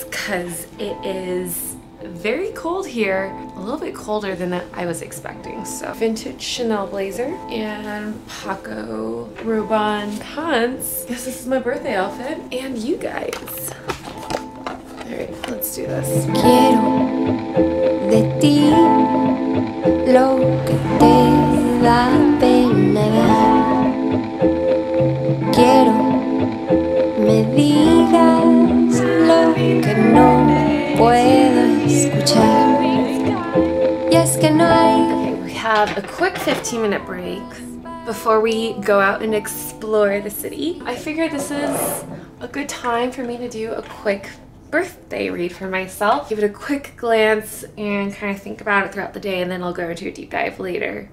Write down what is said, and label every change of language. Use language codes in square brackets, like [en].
[en] because it is very cold here, a little bit colder than I was expecting. So vintage Chanel blazer and Paco Rabanne pants. Guess this is my birthday outfit. And you guys. All right, let's do this. [es] Quiero de ti lo que te da pena. Quiero me digas lo que no puedo escuchar. [en] Yes, [es] que no hay. [en] Okay, we have a quick 15-minute break before we go out and explore the city. I figure this is a good time for me to do a quick birthday read for myself. Give it a quick glance and kind of think about it throughout the day, and then I'll go into a deep dive later.